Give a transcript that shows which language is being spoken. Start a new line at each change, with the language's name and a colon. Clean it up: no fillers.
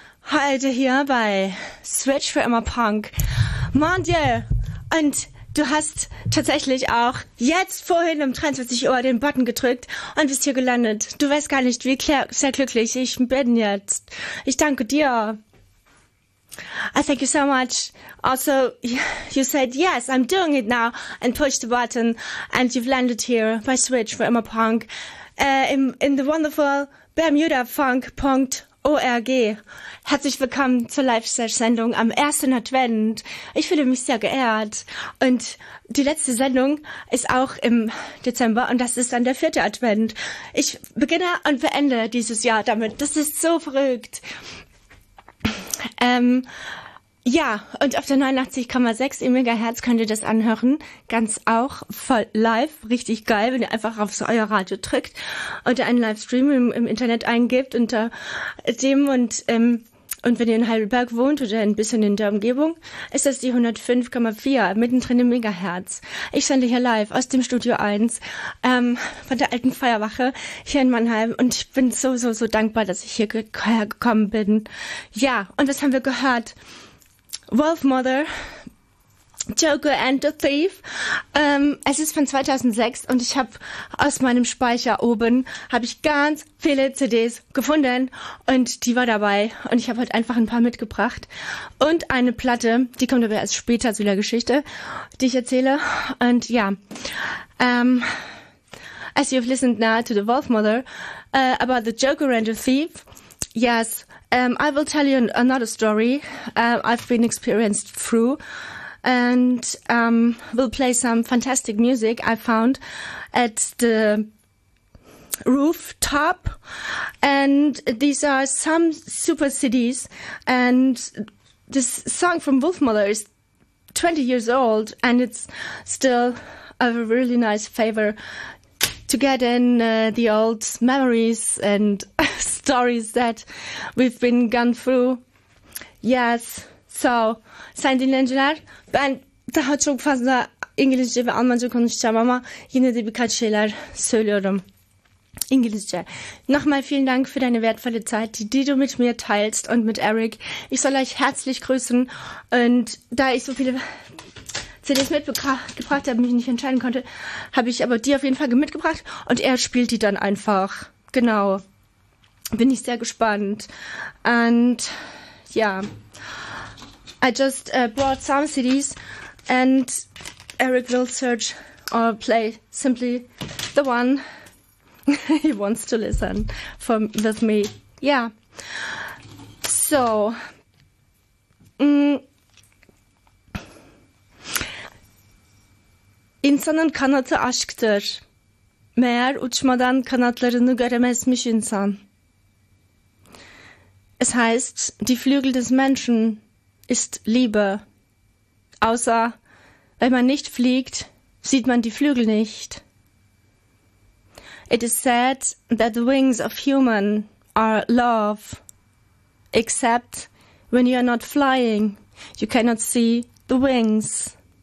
German: Heute hier bei Switch for Emma Punk.
French: Mon Dieu!
German: Und du hast tatsächlich auch jetzt vorhin um 23 Uhr den Button gedrückt und bist hier gelandet. Du weißt gar nicht, wie sehr glücklich ich bin jetzt. Ich danke dir.
English: I thank you so much. Also, you said, yes, I'm doing it now and push the button and you've landed here by Switch for Emma Punk in the wonderful bermudafunk.org.
German: Herzlich willkommen zur Live-Sendung am ersten Advent. Ich fühle mich sehr geehrt. Und die letzte Sendung ist auch im Dezember und das ist dann der vierte Advent. Ich beginne und beende dieses Jahr damit. Das ist so verrückt. Ja, und auf der 89,6 im Megahertz könnt ihr das anhören. Ganz auch voll live. Richtig geil, wenn ihr einfach auf so euer Radio drückt und einen Livestream im Internet eingibt unter dem und wenn ihr in Heidelberg wohnt oder ein bisschen in der Umgebung, ist das die 105,4 mittendrin im Megahertz. Ich sende hier live aus dem Studio 1 von der alten Feuerwache hier in Mannheim und ich bin so, so, so dankbar, dass ich hierher gekommen bin. Ja, und was haben wir gehört? Wolf Mother, Joker and the Thief. Es ist von 2006 und ich habe aus meinem Speicher oben habe ich ganz viele CDs gefunden und die war dabei und ich habe halt einfach ein paar mitgebracht und eine Platte, die kommt aber erst später zu der Geschichte, die ich erzähle und ja.
English: As you've listened now to the Wolf Mother about the Joker and the Thief, yes. I will tell you another story I've been experienced through and will play some fantastic music I found at the rooftop. And these are some super CDs. And this song from Wolf Mother is 20 years old and it's still a really nice favor to get in the old memories and stories that we've been gone through.
Turkish: Yes, so, sind in Angelar, ben daha çok fazla İngilizce ve Almanca konuşacağım ama yine de birkaç şeyler söylüyorum. İngilizce.
German: Nochmal vielen Dank für deine wertvolle Zeit, die du mit mir teilst und mit Eric. Ich soll euch herzlich grüßen und da ich so viele CDs mitgebracht habe, mich nicht entscheiden konnte, habe ich aber die auf jeden Fall mitgebracht und er spielt die dann einfach. Genau. Bin ich sehr gespannt.
English: And yeah, I just brought some CDs and Eric will search or play simply the one he wants to listen from with me. Yeah. So.
Turkish: İnsanın kanatı aşktır. Meğer uçmadan kanatlarını göremezmiş insan.
German: Es heißt, die Flügel des Menschen ist Liebe. Außer, wenn man nicht fliegt, sieht man die Flügel nicht.
English: It is said that the wings of human are love. Except, when you are not flying, you cannot see the wings.